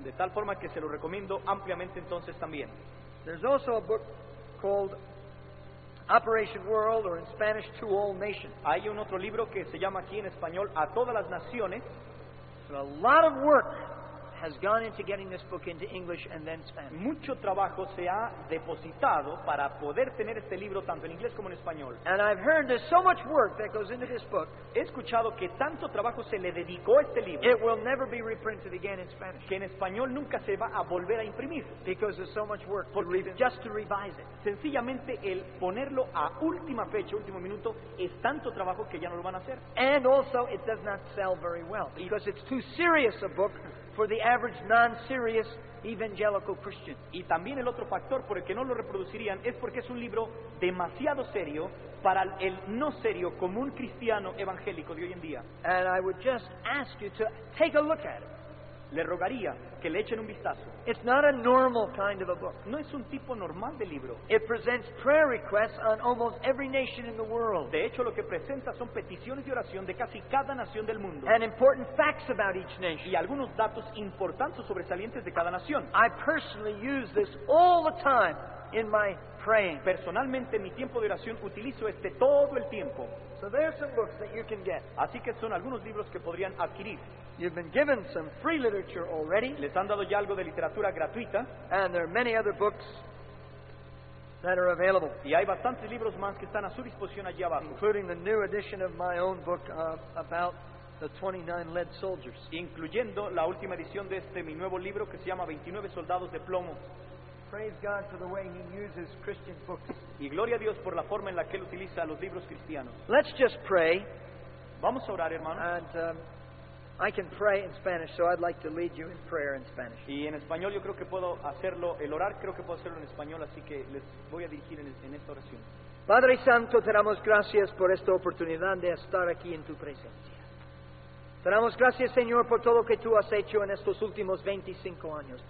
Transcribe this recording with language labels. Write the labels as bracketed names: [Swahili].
[Spanish] De tal forma que se lo recomiendo ampliamente entonces también. [English] There's also a book called Operation World, or in Spanish, To All Nations. [Spanish] Hay un otro libro que se llama aquí en español A Todas las Naciones. [English] So a lot of work has gone into getting this book into English and then Spanish. [Spanish] Mucho trabajo se ha depositado para poder tener este libro tanto en inglés como en español. [English] And I've heard there's so much work that goes into this book. [Spanish] He escuchado que tanto trabajo se le dedicó a este libro. [English] It will never be reprinted again in Spanish. [Spanish] Que en español nunca se va a volver a imprimir. [English] Because there's so much work just to revise it. [Spanish] Sencillamente el ponerlo a última fecha, último minuto, es tanto trabajo que ya no lo van a hacer. [English] And also it does not sell very well because it's too serious a book for the average non-serious evangelical Christian. [Spanish] Y también el otro factor por el que no lo reproducirían es porque es un libro demasiado serio para el no serio común cristiano evangélico de hoy en día. [English] And I would just ask you to take a look at it. [Spanish] Le rogaría que le echen un vistazo. [English] It's not a normal kind of a book. [Spanish] No es un tipo normal de libro. [English] It presents prayer requests on almost every nation in the world. [Spanish] De hecho, lo que presenta son peticiones de oración de casi cada nación del mundo. [English] And important facts about each nation. [Spanish] Y algunos datos importantes sobresalientes de cada nación. [English] I personally use this all the time in my praying. [Spanish] Personalmente, en mi tiempo de oración utilizo este todo el tiempo. [English] So there are some books that you can get. [Spanish] Así que son algunos libros que podrían adquirir. [English] You've been given some free literature already. [Spanish] Les han dado ya algo de literatura gratuita. [English] And there are many other books that are available. [Spanish] Y hay bastantes libros más que están a su disposición allí abajo. [English] Including the new edition of my own book about the 29 lead soldiers, [Spanish] incluyendo la última edición de este mi nuevo libro que se llama 29 soldados de plomo. [English] Praise God for the way he uses Christian books. [Spanish] Y gloria a Dios por la forma en la que él utiliza los libros cristianos. [English] Let's just pray. [Spanish] Vamos a orar, hermanos. [English] And I can pray in Spanish, so I'd like to lead you in prayer in Spanish. [Spanish] Y en español yo creo que puedo hacerlo, el orar creo que puedo hacerlo en español, así que les voy a dirigir en esta oración. Padre Santo, te damos gracias por esta oportunidad de estar aquí en tu presencia. Te damos gracias, Señor, por todo lo que tú has hecho en estos últimos 25 años.